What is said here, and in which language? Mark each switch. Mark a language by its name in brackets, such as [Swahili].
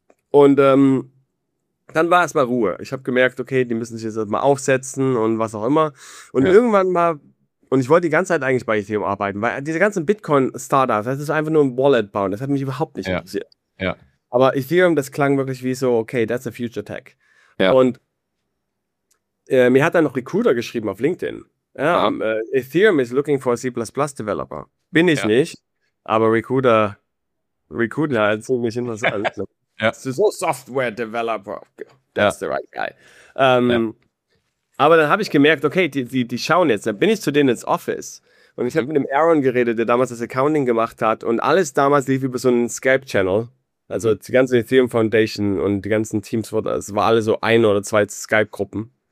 [German] Und dann war erstmal Ruhe. Ich habe gemerkt, okay, die müssen sich jetzt mal aufsetzen und was auch immer. Und irgendwann mal. Und ich wollte die ganze Zeit eigentlich bei Ethereum arbeiten, weil diese ganzen Bitcoin-Startups, das ist einfach nur ein Wallet bauen, das hat mich überhaupt nicht interessiert. Ja. Aber Ethereum, das klang wirklich wie so, okay, [English] that's a future tech. [German] Ja. Und mir hat dann noch Recruiter geschrieben auf LinkedIn. [English] Ethereum is looking for a C++ Developer. [German] Bin ich nicht, aber Recruiter hat ziemlich interessant. [English] So Software Developer, that's the right guy. [German] Aber dann habe ich gemerkt, okay, die schauen jetzt, dann bin ich zu denen ins Office. Und ich habe mit dem Aaron geredet, der damals das Accounting gemacht hat. Und alles damals lief über so einen Skype-Channel. Also die ganze Ethereum Foundation und die ganzen Teams, es war alle so ein oder zwei Skype-Gruppen.